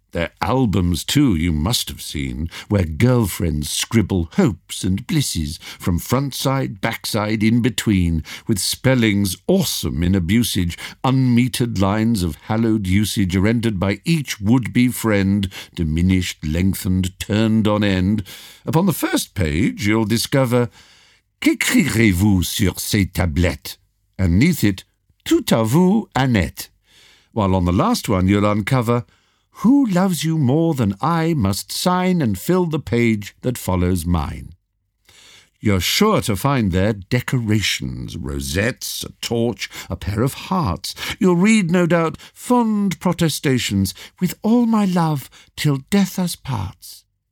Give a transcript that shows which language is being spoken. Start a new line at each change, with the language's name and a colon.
English: Their albums, too, you must have seen, where girlfriends scribble hopes and blisses from front side, back side, in between, with spellings awesome in abusage, unmetered lines of hallowed usage rendered by each would-be friend, diminished, lengthened, turned on end. Upon the first page, you'll discover,
French: Qu'écrirez-vous sur ces tablettes?
English: And neath it,
French: Tout à vous,
English: Annette. While on the last one, you'll uncover, Who loves you more than I must sign and fill the page that follows mine. You're sure to find there decorations, rosettes, a torch, a pair of hearts. You'll read, no doubt, fond protestations, with all my love till death us parts.